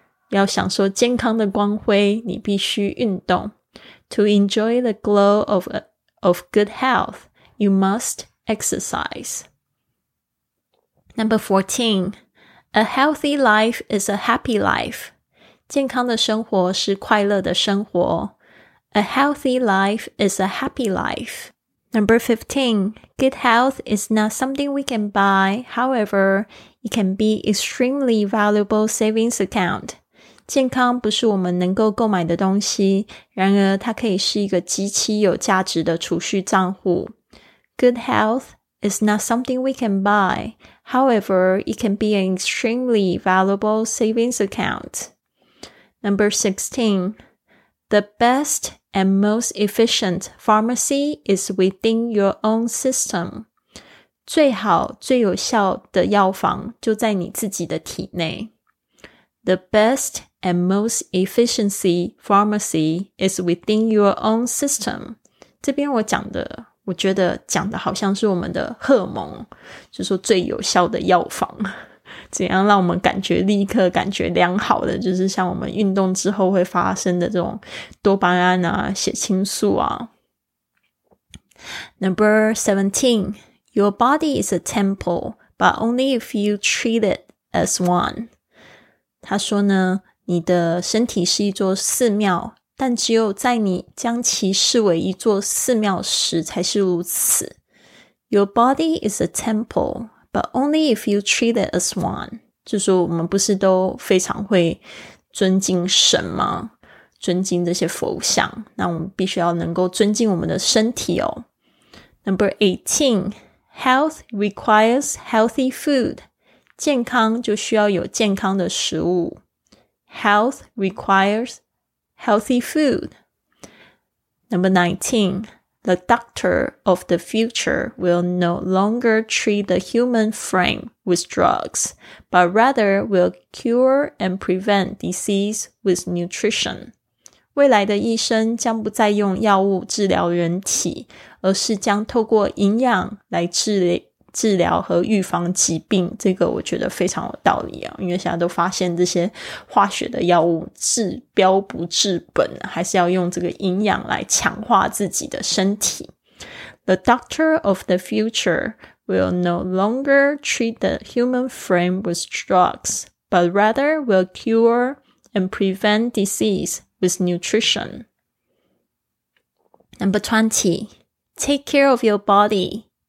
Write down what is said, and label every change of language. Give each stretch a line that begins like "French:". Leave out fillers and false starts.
Chinese: 要享受健康的光辉，你必须运动。
English: To enjoy the glow of good health, you must exercise. Number 14. A healthy life is a happy life.
Chinese: 健康的生活是快乐的生活。
English: A healthy life is a happy life. Number 15. Good health is not something we can buy. However, it can be extremely valuable savings account.
Chinese: 健康不是我们能够购买的东西，然而它可以是一个极其有价值的储蓄账户。
English: Good health is not something we can buy. However, it can be an extremely valuable savings account. Number 16. The best and most efficient pharmacy is within your own system.
Chinese: 最好最有效的药房就在你自己的体内。
English: The best and most efficient pharmacy is within your own system.
Chinese: 这边我讲的，我觉得讲的好像是我们的荷尔蒙，就是说最有效的药房，怎样让我们感觉立刻感觉良好的，就是像我们运动之后会发生的这种多巴胺啊、血清素啊。
English: Number 17, your body is a temple, but only if you treat it as one.
Chinese: 他说呢，你的身体是一座寺庙，但只有在你将其视为一座寺庙时才是如此。
English: Your body is a temple, but only if you treat it as one.
Chinese: 就说我们不是都非常会尊敬神吗？尊敬这些佛像，那我们必须要能够尊敬我们的身体哦。
English: Number 18, health requires healthy food.
Chinese: 健康就需要有健康的食物。
English: Health requires healthy food. Number 19, the doctor of the future will no longer treat the human frame with drugs, but rather will cure and prevent disease with nutrition.
Chinese: 未来的医生将不再用药物治疗人体，而是将透过营养来治疗和预防疾病，这个我觉得非常有道理啊，因为现在都发现这些化学的药物治标不治本，还是要用这个营养来强化自己的身体。
English: The doctor of the future will no longer treat the human frame with drugs, but rather will cure and prevent disease with nutrition. Number 20. Take care of your body.